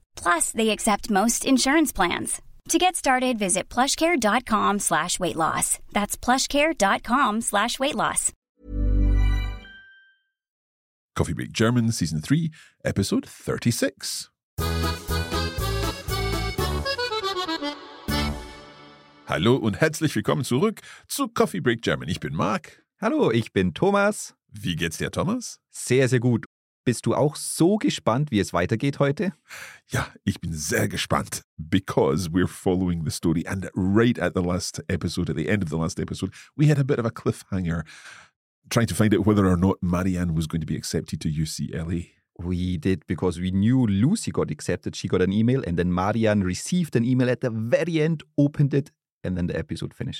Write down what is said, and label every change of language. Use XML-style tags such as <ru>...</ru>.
<en>Plus, they accept most insurance plans. To get started, visit plushcare.com/weightloss. That's plushcare.com/weightloss. Coffee Break German, Season 3, Episode 36.</en> <de>Hallo und herzlich willkommen zurück zu Coffee Break German. Ich bin Marc. Hallo, ich bin Thomas. Wie geht's dir, Thomas? Sehr, sehr gut. Bist du auch so gespannt, wie es weitergeht heute? Ja, ich bin sehr gespannt,</de> <en>because we're following the story. And right at the last episode, at the end of the last episode, we had a bit of a cliffhanger trying to find out whether or not Marianne was going to be accepted to UCLA. We did, because we knew Lucy got accepted. She got an email, and then Marianne received an email at the very end, opened it, and then the episode finished.</en>